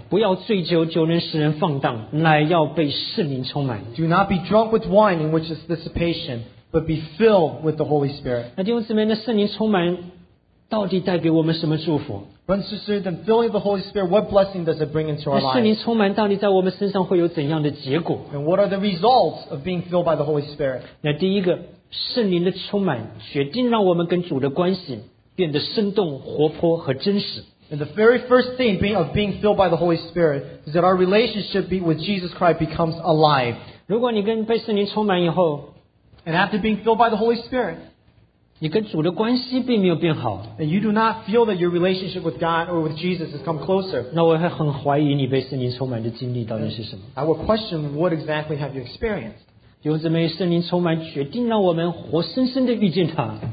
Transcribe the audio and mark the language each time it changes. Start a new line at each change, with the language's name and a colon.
Chinese: 不要醉酒，酒能使人放荡，乃要被圣灵充满。
English: Do not be drunk with wine in which is dissipation, but be filled with the Holy Spirit.
Chinese: 那弟兄姊妹，那圣灵充满到底带给我们什么祝福？
English: Brothers and sisters, then filling the Holy Spirit, what blessing does it bring into our lives?
Chinese: 圣灵充满到底在我们身上会有怎样的结果？
English: And what are the results of being filled by the Holy Spirit?
Chinese: 那第一个，圣灵的充满决定让我们跟主的关系变得生动、活泼和真实。
English: And the very first thing of being filled by the Holy Spirit is that our relationship with Jesus Christ becomes alive.
Chinese: 如果你跟被圣灵充满以后，
English: And after being filled by the Holy Spirit,
Chinese: 你跟主的关系并没有变好。
English: And you do not feel that your relationship with God or with Jesus has come closer.
Chinese: 那我会很怀疑你被圣灵充满的经历到底是什么。
English: I will question what exactly have you experienced.
Chinese: 弟兄姊妹，圣灵充满决定让我们活生生地遇见他。